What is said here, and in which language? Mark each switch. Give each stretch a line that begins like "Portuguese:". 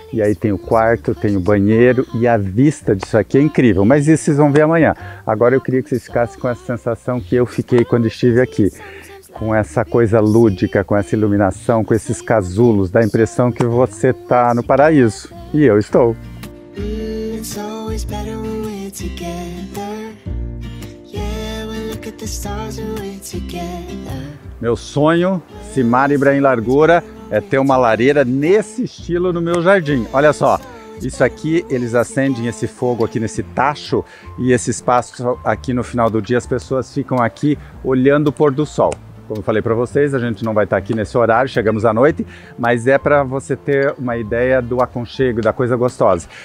Portuguese: E aí tem o quarto, tem o banheiro e a vista disso aqui é incrível. Mas isso vocês vão ver amanhã. Agora eu queria que vocês ficassem com essa sensação que eu fiquei quando estive aqui. Com essa coisa lúdica, com essa iluminação, com esses casulos, dá a impressão que você está no paraíso. E eu estou.
English: It's always better when we're together. Yeah, we look at the stars when we're together.
Portuguese: Meu sonho, Simar Ibrahim Largura, é ter uma lareira nesse estilo no meu jardim. Olha só. Isso aqui, eles acendem esse fogo aqui nesse tacho e esse espaço aqui no final do dia, as pessoas ficam aqui olhando o pôr do sol. Como eu falei para vocês, a gente não vai estar aqui nesse horário, chegamos à noite, mas é para você ter uma ideia do aconchego, da coisa gostosa.